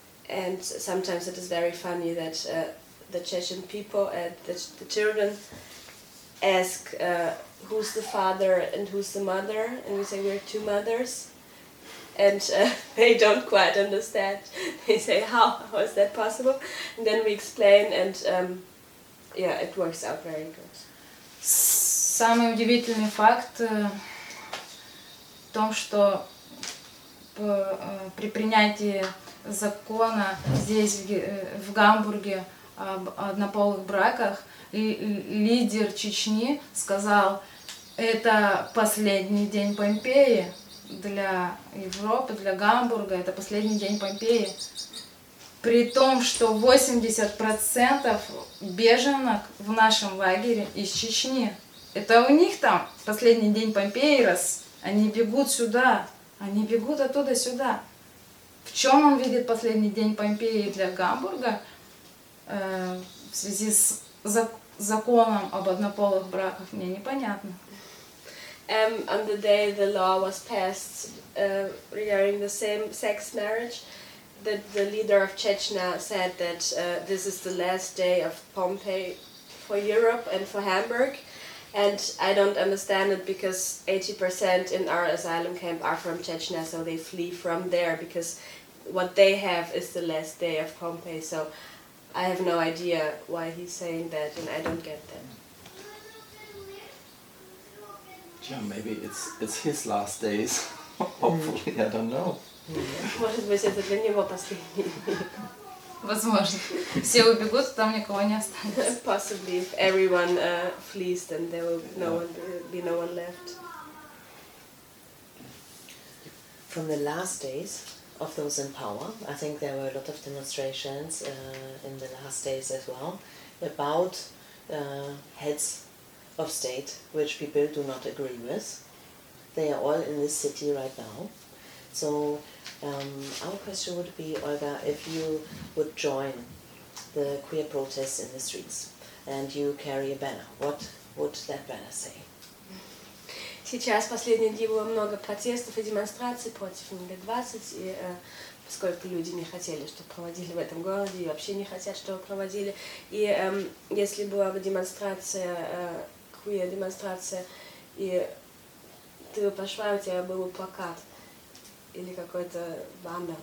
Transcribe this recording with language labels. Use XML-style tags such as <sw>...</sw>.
<en>And sometimes it is very funny that the Chechen people and the children ask who's the father and who's the mother, and we say we are two mothers. And they don't quite understand. They say, how is that possible? And then we explain, and yeah, it works out very good.</en> <ru>Самый удивительный факт в том, что при принятии закона здесь, в Гамбурге, об однополых браках, лидер Чечни сказал, это последний день Помпеи. Для Европы, для Гамбурга, это последний день Помпеи. При том, что 80% беженок в нашем лагере из Чечни. Это у них там последний день Помпеи, раз они бегут сюда, они бегут оттуда сюда. В чем он видит последний день Помпеи для Гамбурга в связи с законом об однополых браках, мне непонятно.</ru> <en>On the day the law was passed regarding the same-sex marriage, the leader of Chechnya said that this is the last day of Pompeii for Europe and for Hamburg. And I don't understand it, because 80% in our asylum camp are from Chechnya, so they flee from there, because what they have is the last day of Pompeii. So I have no idea why he's saying that, and I don't get that. Yeah, maybe it's his last days. Hopefully, I don't know.</en> <ru>Может быть, это для него последний. Возможно. Все убегут, там никого не останется.</ru> <en>Possibly, if everyone flees, then there will be no one left. From the last days of those in power, I think there were a lot of demonstrations in the last days as well about heads of state, which people do not agree with. They are all in this city right now. So our question would be, Olga, if you would join the queer protests in the streets and you carry a banner, what would that banner say?</en> <ru>Сейчас последние дни было много протестов и демонстраций против МГ-20, и поскольку люди не хотели, чтобы проводили в этом городе, и вообще не хотят, чтобы проводили. И если была бы демонстрация queer демонстрация, и ты бы пошла, у тебя был бы плакат или какой-то баннер.</ru>